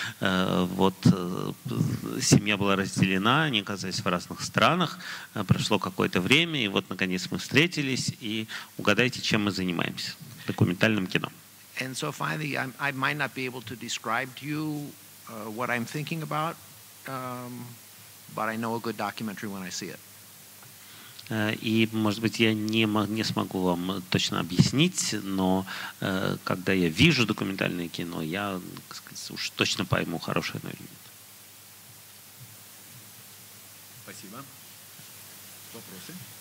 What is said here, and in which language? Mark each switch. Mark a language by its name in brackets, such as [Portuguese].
[Russian] Вот семья была разделена, они оказались в разных странах, прошло какое-то время, и вот наконец мы встретились, и угадайте, чем мы занимаемся, документальным кино. [English] And so finally, I might not be able to describe to you what I'm thinking about, but I know a good documentary when I see it. [Russian] И, может быть, я не смогу вам точно объяснить, но когда я вижу документальное кино, я, так сказать, уж точно пойму, хорошее или нет. Спасибо. Вопросы?